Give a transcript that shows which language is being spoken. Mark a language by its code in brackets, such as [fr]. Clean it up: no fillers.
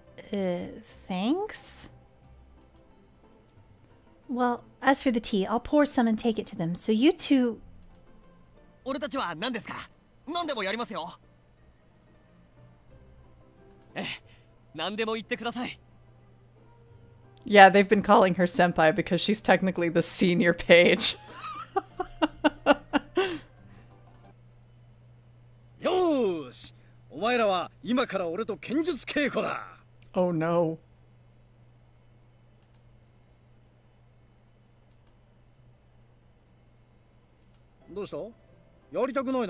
[en] Thanks? Well, as for the tea, I'll pour some and take it to them, so you two... [ja] 俺たちは何ですか?何でもやりますよ! え、何でも言ってください! [en] Yeah, they've been calling her senpai because she's technically the senior page. [ja] よーし!お前らは今から俺と剣術稽古だ! [en] Oh no. [ja] どうした? やりたくないの?